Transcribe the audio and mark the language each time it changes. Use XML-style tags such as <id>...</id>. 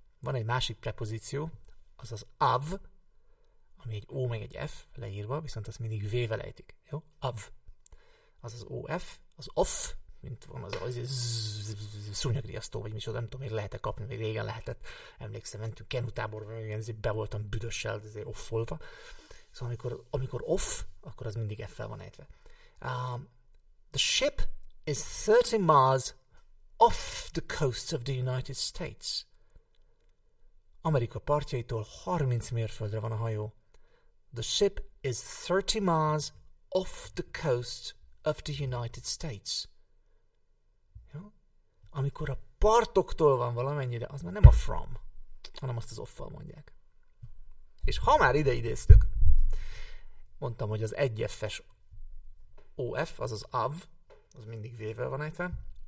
<hu>Van egy másik prepozíció, az az of, ami egy O meg egy F leírva, viszont az mindig V-vel ejtik. Jó? Of. Az az OF, az off, mint van az az szúnyagriasztó, vagy micsoda, nem tudom, miért lehet-e kapni, még régen lehetett. Emlékszem, mentünk Kenutáborra, igen, be voltam büdössel, azért offolva. Szóval amikor off, akkor az mindig F-fel van ejtve.</hu> <en>The ship is 30 miles off the coast of the United States.</en> <hu>Amerika partjaitól 30 mérföldre van a hajó.</hu> <en>The ship is 30 miles off the coast of the United States.</en> <hu>Ja? Amikor a partoktól van valamennyire, az már nem a from, hanem azt az off-val mondják. És ha már ide idéztük, mondtam, hogy az egyes OF, azaz of, az mindig V-vel van ejtve.</hu>